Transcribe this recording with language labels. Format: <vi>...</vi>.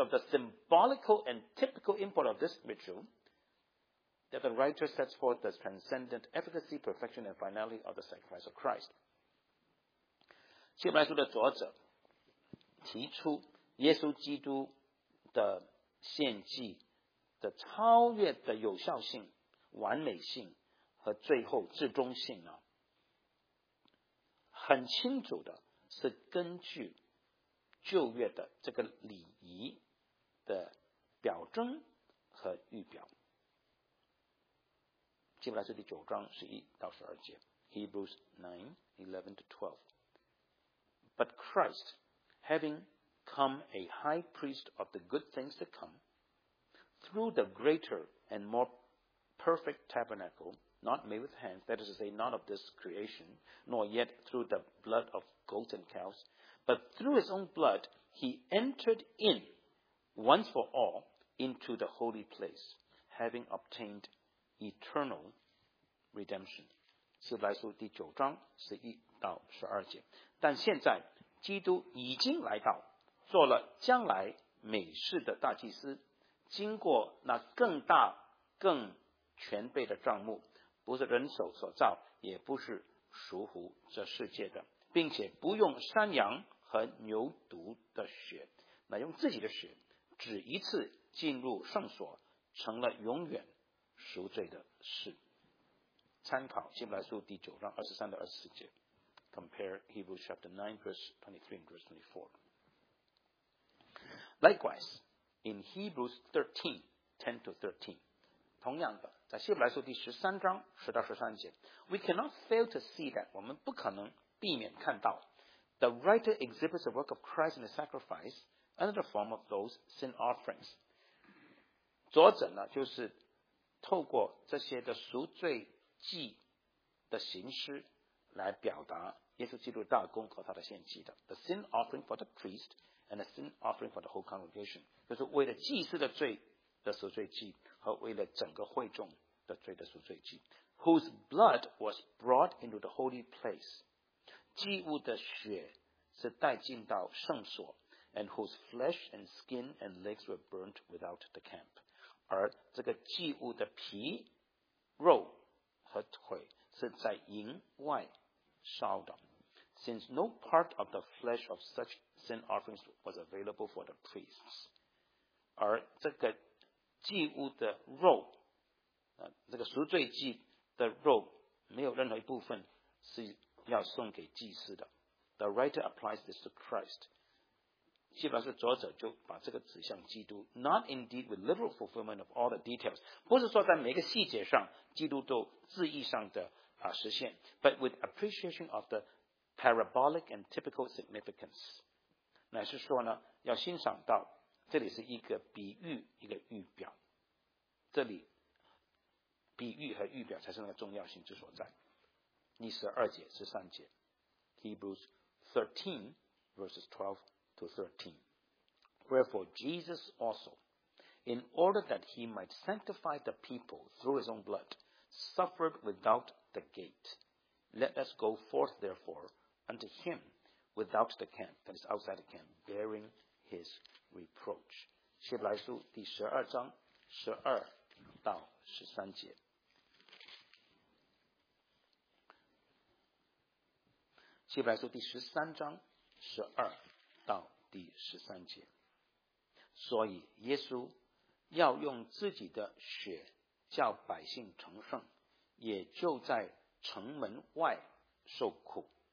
<en>symbolical and typical import of this ritual that the writer sets forth the transcendent efficacy, perfection, and finality of the sacrifice of Christ.</en> <zh>希伯来书的作者提出耶稣基督的献祭的超越的有效性、完美性和最后至终性啊，很清楚的是根据旧约的这个礼仪的表征和预表。希伯来书第九章十一到十二节</zh> <en>Hebrews 9:11-12 But Christ, having come a high priest of the good things to come, through the greater and more perfect tabernacle, not made with hands, that is to say, not of this creation, nor yet through the blood of goats and cows, but through his own blood, he entered in once for all into the holy place, having obtained eternal redemption.</en> <zh>希伯来书第九章十一到十二节。但现在基督已经来到，做了将来美事的大祭司，经过那更大更全备的帐幕，不是人手所造，也不是属乎这世界的，并且不用山羊和牛犊的血，乃用自己的血，只一次进入圣所，成了永远赎罪的事。参考希伯来书第九章二十三到二十四节。</zh> <en>Compare Hebrews chapter 9, verse 23 and verse 24. Likewise, in Hebrews 13:10-13,</en> <zh>同样的，在希伯来书第十三章十到十三节</zh> <en>，We cannot fail to see that</en> <zh>我们不可能避免看到</zh> <en>，The writer exhibits the work of Christ in the sacrifice under the form of those sin offerings.</en> <zh>作者呢，就是透过这些的赎罪祭的形式来表达耶稣基督大功和他的献祭的。</zh> <en>The sin offering for the priest and the sin offering for the whole congregation.</en> <zh>就是为了祭司的罪的赎罪祭和为了整个会众的罪的赎罪祭。</zh> <en>Whose blood was brought into the holy place.</en> <zh>祭物的血是带进到圣所。</zh> <en>And whose flesh and skin and legs were burnt without the camp.</en> <zh>而这个祭物的皮、肉和腿是在营外烧的。</zh> <en>Since no part of the flesh of such sin offerings was available for the priests.</en> <zh>而这个祭物的肉、这个赎罪祭的肉没有任何一部分是要送给祭司的。</zh> <en>The writer applies this to Christ.</en> <zh>基本上是作者就把这个指向基督</zh> <en>Not indeed with literal fulfillment of all the details</en> <zh>不是说在每个细节上基督都字义上的、实现</zh> <en>But with appreciation of the parabolic and typical significance</en> <zh>乃是说呢要欣赏到这里是一个比喻一个预表这里比喻和预表才是那个重要性之所在第十二节十三节</zh> <en>Hebrews 13 verses 12to 13. Wherefore Jesus also, in order that he might sanctify the people through his own blood, suffered without the gate. Let us go forth therefore unto him without the camp, that is outside the camp, bearing his reproach.</en> <zh>希伯来书第十二章十二到十三节。希伯来书第十三章十二到第十三节，所以耶稣要用自己的血叫百姓成圣，也就在城门外受苦。</zh>